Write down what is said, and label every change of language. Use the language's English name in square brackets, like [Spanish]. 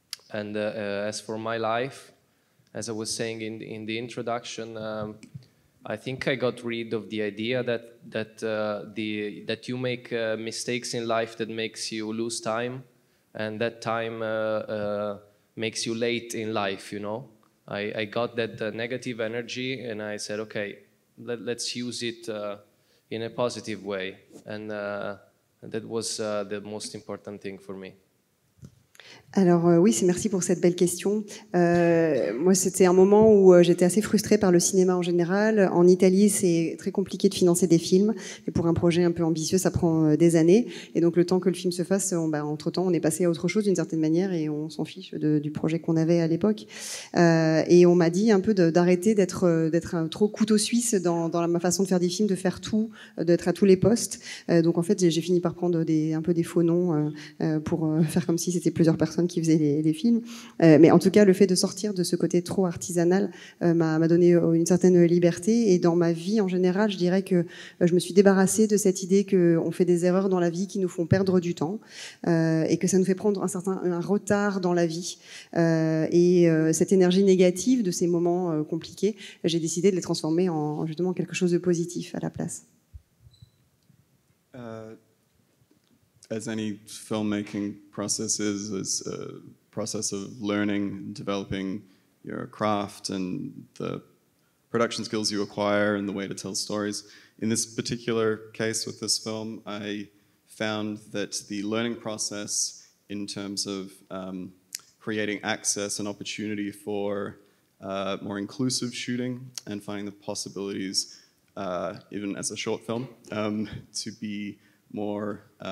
[English] And as for my life, as I was saying in the introduction, I think I got rid of the idea that you make mistakes in life that makes you lose time, and that time makes you late in life, you know? I got that negative energy and I said, okay, let's use it in a positive way. And that was the most important thing for me. [French] Alors oui, c'est merci pour cette belle question. Moi, c'était un moment où j'étais assez frustrée par le cinéma en général. En Italie, c'est très compliqué de financer des films. Et pour un projet un peu ambitieux, ça prend des années. Et donc, le temps que le film se fasse, entre-temps, on est passé à autre chose d'une certaine manière et on s'en fiche du projet qu'on avait à l'époque. Et on m'a dit un peu d'arrêter d'être un trop couteau suisse dans ma façon de faire des films, de faire tout, d'être à tous les postes. Donc en fait, j'ai fini par prendre un peu des faux noms pour faire comme si c'était plusieurs personnes qui faisaient les films, mais en tout cas le fait de sortir de ce côté trop artisanal m'a donné une certaine liberté. Et dans ma vie en général, je dirais que je me suis débarrassée de cette idée qu'on fait des erreurs dans la vie qui nous font perdre du temps et que ça nous fait prendre un certain retard dans la vie, et cette énergie négative de ces moments compliqués, j'ai décidé de les transformer en justement quelque chose de positif à la place. [English] As any filmmaking process is, it's a process of learning, developing your craft and the production skills you acquire and the way to tell stories. In this particular case with this film, I found that the learning process in terms of creating access and opportunity for more inclusive shooting and finding the possibilities, even as a short film, to be more